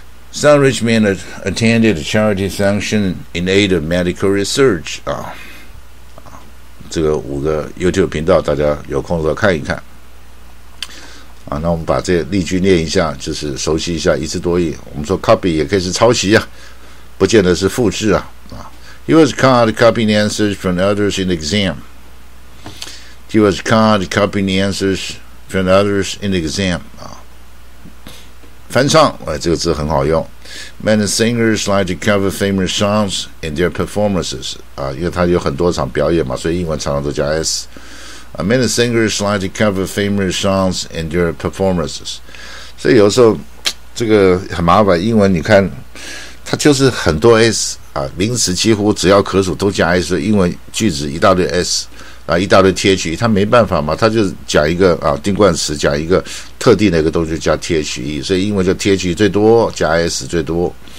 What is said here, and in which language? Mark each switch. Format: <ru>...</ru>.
<en>Some rich men attended a charity function in aid of medical research 啊。</en> <zh>这个五个 YouTube 频道，大家有空的时候看一看啊。那我们把这例句念一下，就是熟悉一下，一字多义。我们说 copy 也可以是抄袭啊，不见得是复制啊。</zh> <en>He was caught copying the answers from others in the exam 啊。</en> <zh>翻唱，哎，这个字很好用。</zh> <en>Many singers like to cover famous songs in their performances.</en> <zh>啊，因为他有很多场表演嘛，所以英文常常都加 s.</zh> <en>Many singers like to cover famous songs in their performances.</en> <zh>所以有时候这个很麻烦，英文你看，它就是很多 s 啊，名词几乎只要可数都加 s。英文句子一大堆 s 啊，一大堆 th， 它没办法嘛，它就讲一个啊定冠词，讲一个特定的一个东西加 THE， 所以英文叫 THE 最多，加 S 最多。</zh>